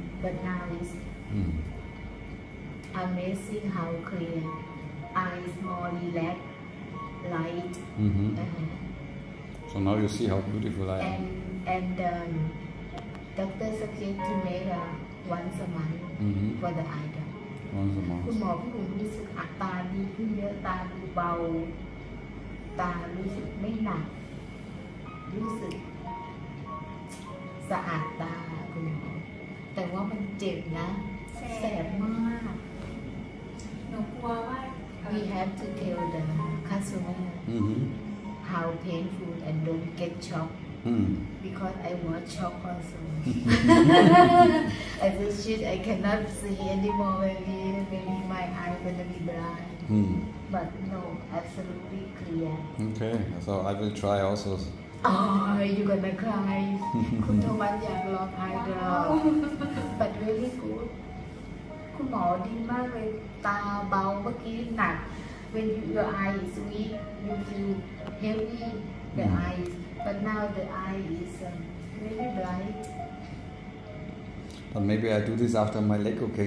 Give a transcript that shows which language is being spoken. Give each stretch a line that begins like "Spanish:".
English: But now it's amazing how clear. Eyes more relaxed, light. Mm-hmm. So now you see how beautiful I am. And doctor suggest to make a once a month mm-hmm. for the eye.
Thai: คุณหมอพี่หนูรู้สึกอัตตาดีขึ้นเยอะตาดูเบาตารู้สึกไม่หนักรู้สึกสะอาดตาคุณหมอแต่ว่ามันเจ็บนะ แสบ มาก หนูกลัวว่า
English: we have to tell the customer how painful and don't get shocked because I was shocked also I just said I cannot see anymore maybe my eye gonna be blind but no absolutely clear okay so I will try also oh you gonna cry
Thai: คุณโทมัสอยากลองอายเดอร์
English: but really good
Thai: คุณหมอดีมากเลยตาเบาเมื่อกี้หนัก
English: when your eye is weak you feel heavy the eyesBut now the eye is really bright. But maybe I do this after my leg, okay?